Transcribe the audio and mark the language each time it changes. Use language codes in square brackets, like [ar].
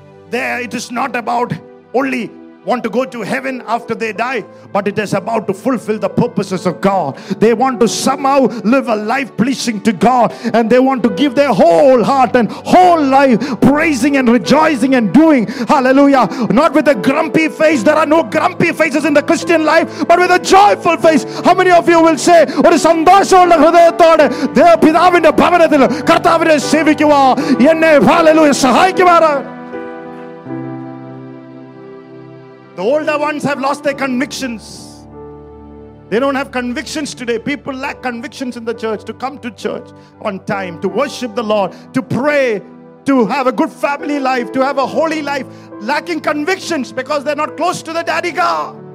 [en] There, it is not about only want to go to heaven after they die, but it is about to fulfill the purposes of God. They want to somehow live a life pleasing to God, and they want to give their whole heart and whole life praising and rejoicing and doing. Hallelujah. Not with a grumpy face. There are no grumpy faces in the Christian life, but with a joyful face. How many of you will say, [ml] ഒരു സന്തോഷമുള്ള ഹൃദയത്തോടെ ദേവ പിതാവിന്റെ ഭവനത്തിൽ കർത്താവിനെ സേവിക്കുക എന്നെ hallelujah സഹായിക്കുമാറ് [en] The older ones have lost their convictions. They don't have convictions today. People lack convictions in the church to come to church on time, to worship the Lord, to pray, to have a good family life, to have a holy life. Lacking convictions because they're not close to the daddy God.